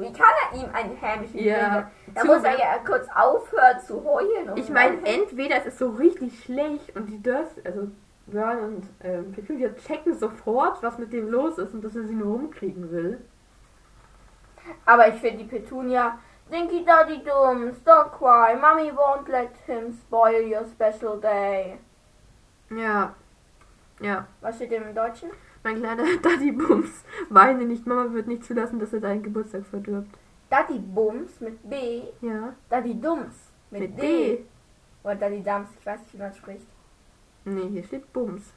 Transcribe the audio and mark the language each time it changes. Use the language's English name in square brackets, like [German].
[German] Wie kann er ihm einen hämischen Grill? Da muss er ja kurz aufhören zu heulen. Ich meine, entweder es ist so richtig schlecht und die Dörf, also Björn und Petunia checken sofort, was mit dem los ist und dass er sie nur rumkriegen will. Aber ich finde die Petunia, [English] Dinky Daddy Dumms, don't cry, Mommy won't let him spoil your special day. [German] Ja. Ja. Was steht denn im Deutschen? Mein kleiner Daddy Bums, weine nicht, Mama wird nicht zulassen, dass er deinen Geburtstag verdirbt. Daddy Bums mit B? Ja. Daddy Dumms mit D. D? Oder Daddy Dumms, ich weiß nicht, wie man spricht. Nee, hier steht Bums.